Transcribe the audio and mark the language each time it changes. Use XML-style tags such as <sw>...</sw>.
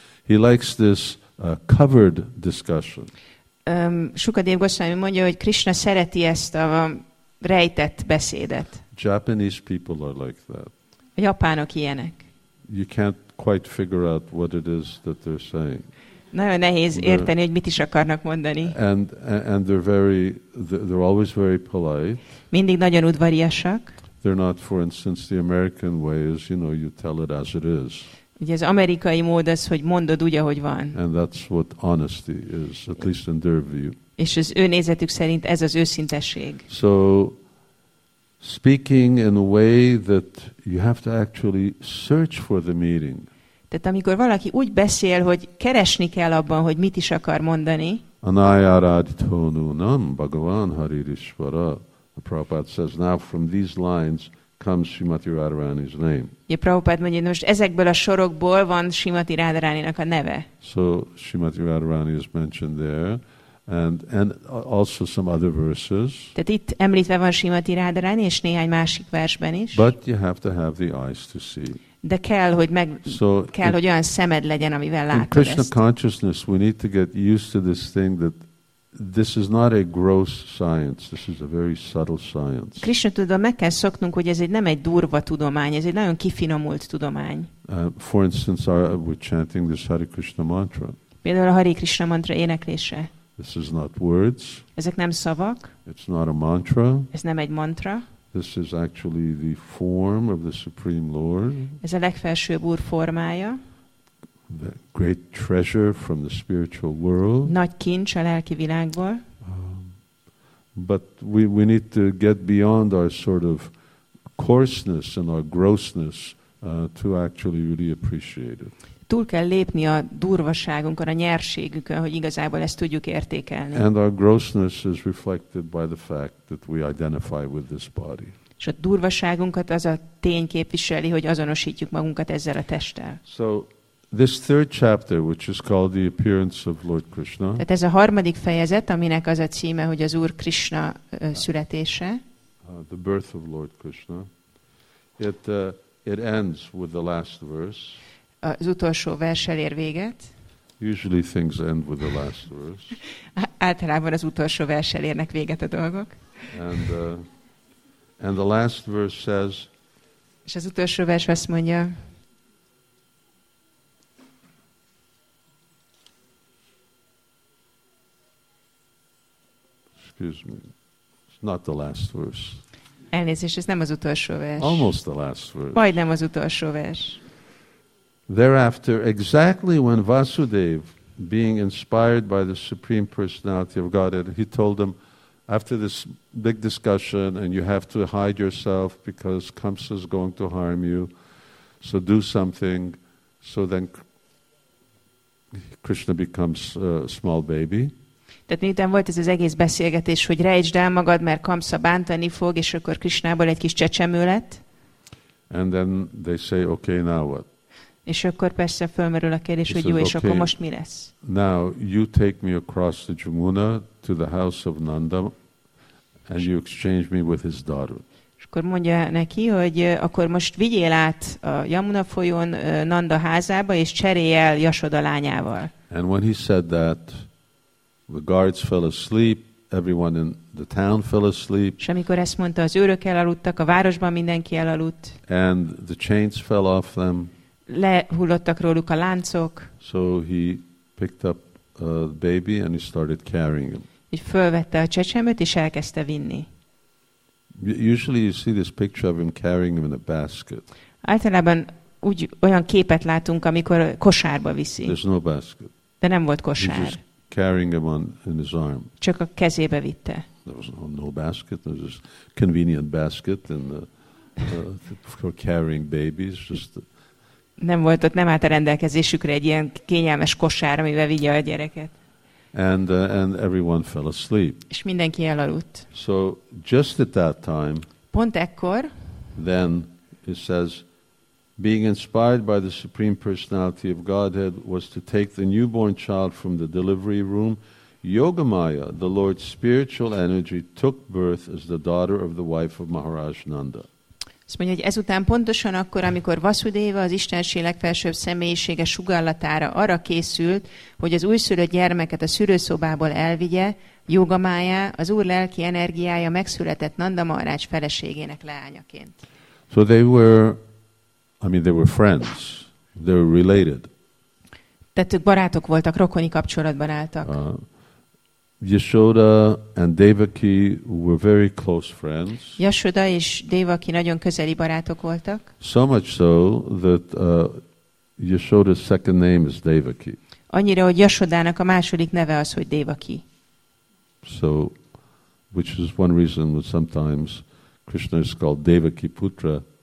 <en>He likes this covered discussion.</en> <hu>Shukadeva Goswami mondja, hogy Krishna szereti ezt a rejtett beszédet.</hu> <en>Japanese people are like that.</en> <hu>A japánok ilyenek.</hu> <en>You can't quite figure out what it is that they're saying.</en> <hu>Nagyon nehéz érteni, hogy mit is akarnak mondani.</hu> <en>And they're always very polite.</en> <hu>Mindig nagyon udvariasak.</hu> <en>They're not, for instance, the American way is, you know, you tell it as it is.</en> <hu>Ugye az amerikai mód az, hogy mondod úgy, ahogy van.</hu> <en>And that's what honesty is, at least in their view.</en> <hu>És az ő nézetük szerint ez az őszintesség.</hu> <en>So, speaking in a way that you have to actually search for the meaning.</en> <hu>Tehát amikor valaki úgy beszél, hogy keresni kell abban, hogy mit is akar mondani.</hu> <sa>Anayaradhonu nam Bhagavan Haririshvara.</sa> <en>The Prabhupada says, now from these lines comes Srimati Radharani's name.</en> <hu>Ja, Prabhupada mondja, most ezekből a sorokból van Srimati Radharani-nak a neve.</hu> <en>So Srimati Radharani is mentioned there. And also some other verses.</en> <hu>Tehát itt említve van Srimati Radharani és néhány másik versben is.</hu> <en>But you have to have the eyes to see.</en> <hu>De kell, hogy meg so kell, hogy olyan szemed legyen, amivel látod ezt.</hu> <en>In Krishna consciousness, we need to get used to this thing that this is not a gross science. This is a very subtle science.</en> <hu>Krishna tudom, meg kell szoknunk, hogy ez egy nem egy durva tudomány, ez egy nagyon kifinomult tudomány.</hu> <en>For instance, we're chanting this Hare Krishna mantra.</en> <hu>Például a Hare Krishna mantra éneklése.</hu> <en>This is not words.</en> <hu>Ezek nem szavak.</hu> <en>It's not a mantra.</en> <hu>Ez nem egy mantra.</hu> <en>This is actually the form of the Supreme Lord.</en> <hu>Ez a legfelsőbb Úr formája.</hu> <en>The great treasure from the spiritual world.</en> <hu>Nagy kincs a lelki világból.</hu> <en>But we need to get beyond our sort of coarseness and our grossness to actually really appreciate it.</en> <hu>Túl kell lépni a durvaságunkon, a nyerségükön, hogy igazából ezt tudjuk értékelni.</hu> <en>And our grossness is reflected by the fact that we identify with this body.</en> <hu>És a durvaságunkat az a tény képviseli, hogy azonosítjuk magunkat ezzel a testtel.</hu> <en>So this third chapter, which is called the appearance of Lord Krishna.</en> <hu>Tehát ez a harmadik fejezet, aminek az a címe, hogy az Úr Krishna születése.</hu> <en>The birth of Lord Krishna. It ends with the last verse.</en> <hu>Az utolsó verssel ér véget.</hu> <en>Usually things end with the last verse.</en> <hu>Általában az utolsó verssel érnek véget a dolgok.</hu> <en>And the last verse says.</en> <hu>És az utolsó vers azt mondja.</hu> <en>Excuse me. It's not the last verse.</en> <hu>Elnézést, ez nem az utolsó vers.</hu> <en>Almost the last verse.</en> <hu>Majdnem az utolsó vers.</hu> <en>Thereafter, exactly when Vasudev, being inspired by the Supreme Personality of Godhead, he told them, after this big discussion, and you have to hide yourself because Kamsa is going to harm you, so do something. So then Krishna becomes a small baby.</en> <hu>Tehát miután volt ez az egész beszélgetés, hogy rejtsd el magad, mert Kamsa bántani fog, és akkor Krishnából egy kis csecsemő lett.</hu> <en>And then they say, okay, now what?</en> <hu>És akkor persze fölmerül a kérdés, hogy jó, és</hu> <en>okay,</en> <hu>akkor most mi lesz?</hu> <en>Now, you take me across the Jamuna to the house of Nanda, and you exchange me with his daughter.</en> <hu>És akkor mondja neki, hogy akkor most vigyél át a Jamuna folyón Nanda házába, és cserélj el Yashoda lányával.</hu> <en>And when he said that, the guards fell asleep, everyone in the town fell asleep.</en> <hu>És amikor ezt mondta, az őrök elaludtak, a városban mindenki elaludt.</hu> <en>And the chains fell off them.</en> <hu>Lehullottak róluk a láncok.</hu> <en>So he picked up a baby and he started carrying him.</en> <hu>Így fölvette a csecsemőt és elkezdte vinni.</hu> <en>Usually you see this picture of him carrying him in a basket.</en> <hu>Általában úgy olyan képet látunk, amikor kosárba viszi.</hu> <en>There's no basket.</en> <hu>De nem volt kosár.</hu> <en>He's just carrying him on in his arm.</en> <hu>Csak a kezébe vitte.</hu> <en>There was no basket. There's just convenient basket and for carrying babies. Just</en> <hu>nem volt ott, nem állt a rendelkezésükre egy ilyen kényelmes kosár, amivel vigye a gyereket.</hu> <en>And everyone fell asleep.</en> <hu>És mindenki elaludt.</hu> <en>So just at that time.</en> <hu>Pont ekkor.</hu> <en>Then it says. Being inspired by the Supreme Personality of Godhead was to take the newborn child from the delivery room. Yogamaya, the Lord's spiritual energy, took birth as the daughter of the wife of Maharaj Nanda.</en> <hu>Azt mondja, hogy ezután pontosan akkor, amikor Vasudeva, az Istenség legfelsőbb személyisége sugallatára arra készült, hogy az újszülött gyermeket a szülőszobából elvigye, Yogamaya, az Úr lelki energiája megszületett Nanda Maharaj feleségének leányaként.</hu> <en>So they were... I mean, they were friends. They were related.</en> <hu>Tehát barátok voltak, rokoni kapcsolatban álltak.</hu> <en>Yashoda and Devaki were very close friends.</en> <hu>Yashoda és Devaki nagyon közeli barátok voltak.</hu> <en>So much so that Yashoda's second name is Devaki.</en> <hu>Annyira, hogy Yashodának a második neve az, hogy Devaki.</hu> <en>So, which is one reason that sometimes Krishna is called Devaki Putra.</en>